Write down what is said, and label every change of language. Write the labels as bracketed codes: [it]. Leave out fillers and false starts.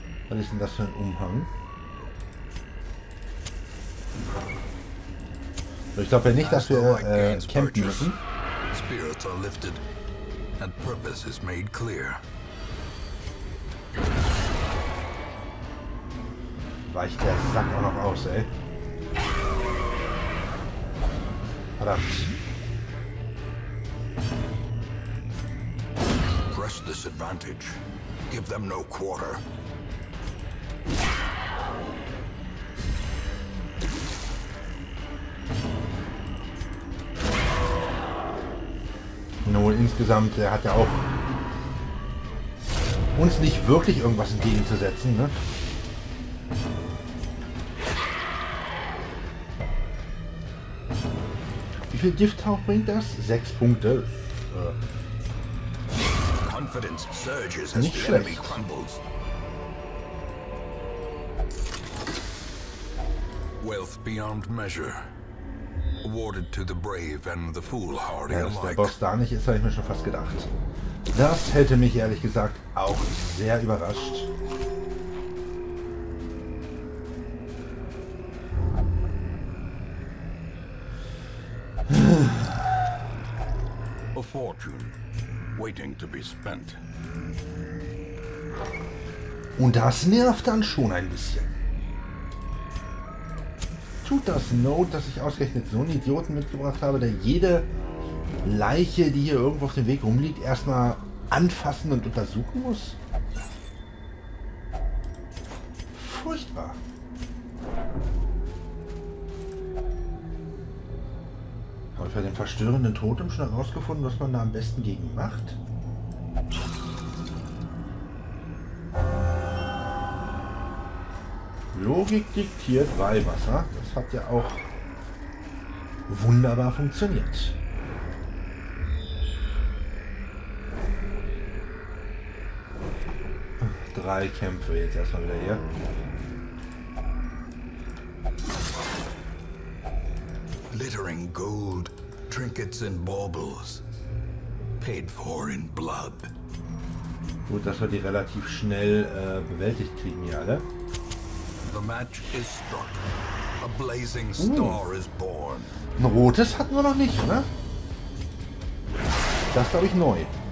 [de] Was ist denn das für ein Umhang? Ich glaube ja nicht, dass wir campen müssen. [en] Spirits are lifted and purpose is made clear. [de] Weicht der Sack auch noch aus, ey. Verdammt. [en] Press this advantage. Give them no quarter. [de] Nun, insgesamt, der hat ja auch uns nicht wirklich irgendwas entgegenzusetzen, ne? Wie viel Gifttauch bringt das? 6 Punkte. [en] Confidence surges as the enemy crumbles. Wealth beyond measure. Awarded to the brave and the foolhardy alike. [de] Dass der Boss da nicht ist, habe ich mir schon fast gedacht. Das hätte mich ehrlich gesagt auch sehr überrascht. [en] A fortune waiting to be spent. [de] Und das nervt dann schon ein bisschen. Tut das Note, dass ich ausgerechnet so einen Idioten mitgebracht habe, der jede Leiche, die hier irgendwo auf dem Weg rumliegt, erstmal anfassen und untersuchen muss? Furchtbar. Habe ich bei dem verstörenden Totem schon herausgefunden, was man da am besten gegen macht? Logik diktiert Weihwasser. Das hat ja auch wunderbar funktioniert. Drei Kämpfe jetzt erstmal wieder hier. [en] Glittering gold, trinkets and baubles, paid for in blood. [de] Gut, dass wir die relativ schnell bewältigt kriegen hier alle. [en] The match is struck. A blazing star is born. [de] Ein rotes hatten wir noch nicht, ne? Das glaube ich neu.